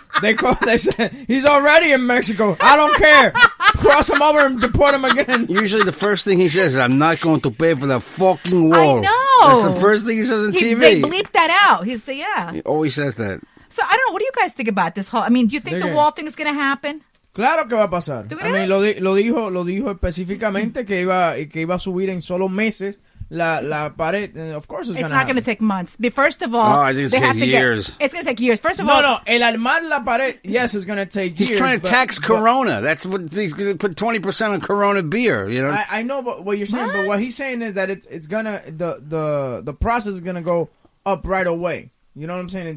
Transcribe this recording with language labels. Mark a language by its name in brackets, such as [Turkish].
[English] They called. They said, "He's already in Mexico. I don't care. Cross him over and deport him again." Usually the first thing he says is, "I'm not going to pay for the fucking wall." I know. That's the first thing he says on TV. They bleep that out. He said, yeah. He always says that. So, I don't know. What do you guys think about this whole... I mean, do you think the wall thing is going to happen? [Spanish] Claro que va a pasar. I mean, lo dijo específicamente que iba a subir en solo meses la pared. [English] Of course it's going to happen. It's not going to take months. But first of all... Oh, I think it's going to take years. It's going to take years. First of all... [Spanish] No, el armar la pared, [English] yes, it's going to take years. He's trying to tax Corona. That's what... He's going to put 20% on Corona beer, you know? I know but what you're saying, but what he's saying is that it's going to... The process is going to go up right away. You know what I'm saying?